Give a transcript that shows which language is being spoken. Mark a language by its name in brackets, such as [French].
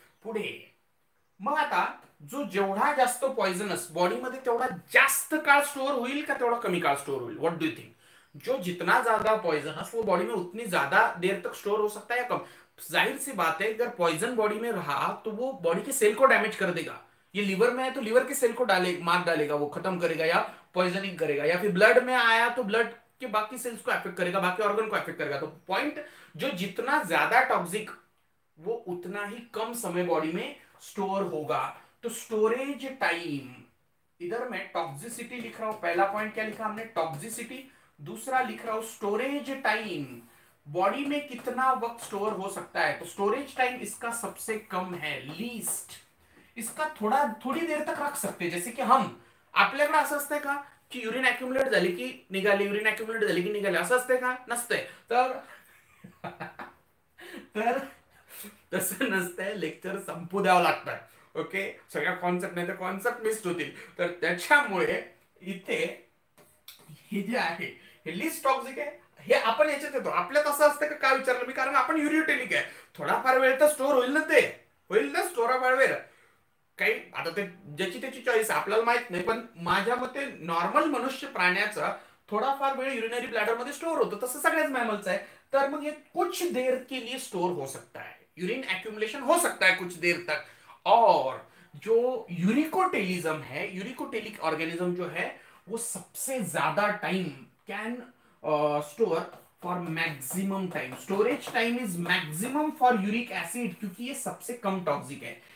[Marathi] पुढे मग आता जो जेवढा जास्त पॉइजनस बॉडी मध्ये तेवढा जास्त काळ स्टोर होईल का तेवढा कमी काळ स्टोर होईल, [English] What do you think? [Hindi] जो जितना ज्यादा पॉइजनस वो बॉडी में उतनी ज्यादा देर तक स्टोर हो सकता है या कम? जाहिर सी बात है अगर पॉइजन बॉडी में रहा तो वो बॉडी के सेल को डैमेज कर देगा, ये लीवर में है तो लीवर के सेल को डाले मार डालेगा, वो खत्म करेगा या पॉइजनिंग करेगा, या फिर ब्लड में आया तो ब्लड के बाकी सेल्स को अफेक्ट करेगा, बाकी ऑर्गन को अफेक्ट करेगा। तो पॉइंट, जो जितना ज्यादा टॉक्सिक वो उतना ही कम समय बॉडी में स्टोर होगा। तो स्टोरेज टाइम, इधर मैं टॉक्सिसिटी लिख रहा हूं, पहला पॉइंट क्या लिखा हमने, टॉक्सिसिटी। दूसरा लिख रहा हूं स्टोरेज टाइम, बॉडी में कितना वक्त स्टोर हो सकता है। तो स्टोरेज टाइम इसका सबसे कम है, लीस्ट, इसका थोड़ा थोड़ी देर तक रख सकते हैं। जैसे कि हम [Marathi] आपल्याकडे असं असतंय का कि युरिन अक्युमुलेट झाली की निघाली, युरिन अक्युमुलेट झाली की निघाली, असं असतंय का नसतंय? तर तसं नसतंय, लेक्चर संपू द्यावं लागतं। ओके, सगळ्या कॉन्सेप्ट नाही तर कॉन्सेप्ट मिस्ड होतील। तर त्याच्यामुळे इथे हे जे आहे हे लिस्ट टॉक्सिक आहे, हे आपण याच्यात येतो, आपल्यात असं असतं का काय विचारलं मी, कारण आपण युरियोटेलिक आहे, थोडाफार वेळ तर स्टोर होईल ना, ते होईल ना स्टोर फार वेळ काही, आता ते ज्याची त्याची चॉईस आपल्याला माहित नाही, पण माझ्या मते नॉर्मल मनुष्य प्राण्याचा थोडाफार वेळ युरिनरी ब्लॅडर मध्ये स्टोर होतो, तसं सगळ्याच मॅमल्स आहे। तर मग हे [Hindi] कुछ देर के लिए स्टोर हो सकता है, युरिन अक्युमुलेशन हो सकता है कुछ देर तक। और जो यूरिकोटेलिज्म है, यूरिकोटेलिक ऑर्गेनिज्म जो है वो सबसे ज्यादा time [English] can store, for maximum time, storage time is maximum for uric acid, [Hindi] क्योंकि ये सबसे कम टॉक्सिक है।